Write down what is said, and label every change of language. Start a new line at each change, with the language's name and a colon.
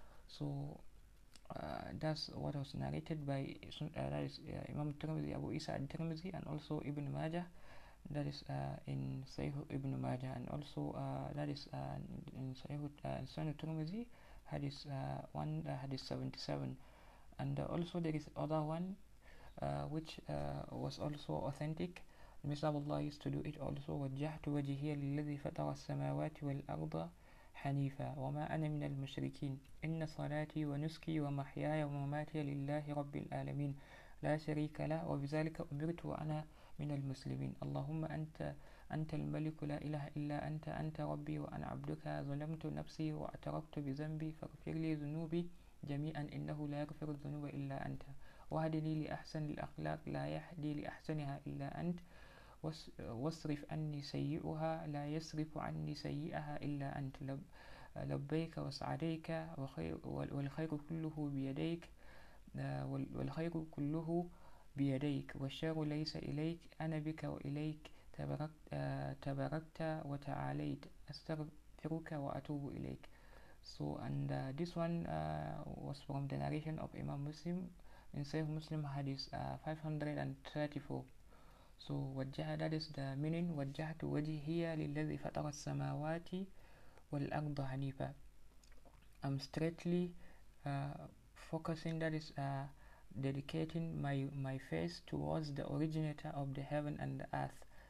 English: So that's what was narrated by that is Imam Tirmidhi, Abu Isa al-Tirmidhi, and also Ibn Majah, that is in Sahih Ibn Majah, and also that is in Sahih Sunan al-Tirmidhi hadith 77, and also there is other one which was also authentic. Mr. Allah used to do it also.
Arabic: وَجَّهْتُ وَجِهِيَ لِلَّذِي فَطَرَ السَّمَاوَاتِ وَالْأَرْضَ حَنِيفًا وَمَا أَنَا مِنَ الْمُشْرِكِينَ إِنَّ صَلَاتِي وَنُسْكِي وَمَحْيَايَ وَمَمَاتِي لِلَّهِ رَبِّ الْعَالَمِينَ لَا شَرِيكَ لَهُ وَبِذَلِكَ أُمِرْتُ وَأَنَا مِنَ الْمُسْلِمِينَ اللَّهُمَّ أَنْتَ الْمَلِكُ لَا إِلَهَ إِلَّا أَنْتَ رَبِّي وَأَنَا عَبْدُكَ ظَلَمْتُ نَفْسِي وَأَعْتَرَفْتُ بِذَنْبِي فَاغْفِرْ لِي ذُنُوبِي جَمِيعًا إِنَّهُ لَا يَغْفِرُ الذُّنُوبَ إِلَّا أَنْتَ وَهَدِنِي لِأَحْسَنِ الْأَخْلَاقِ لَا يَهْدِي لِأَحْسَنِهَا إِلَّا أَنْتَ واصرف عني سيئها لا يصرف عني سيئها إلا أنت لبيك وسعديك والخير كله بيديك والخير كله بيديك والشر ليس إليك أنا بك وإليك تبركت وتعاليت أستغفرك وأتوب إليك.
English: So and this one was from the narration of Imam Muslim in Sahih Muslim hadith 534. So وَجَّهَ, that is the meaning,
Arabic: وَجَّهَتُ وَجِهِيَ لِلَّذِي فَطَرَ السَّمَاوَاتِ وَالْأَرْضَ حَنِيفًا,
English: I'm straightly focusing, that is dedicating my face towards the originator of the heaven and the earth.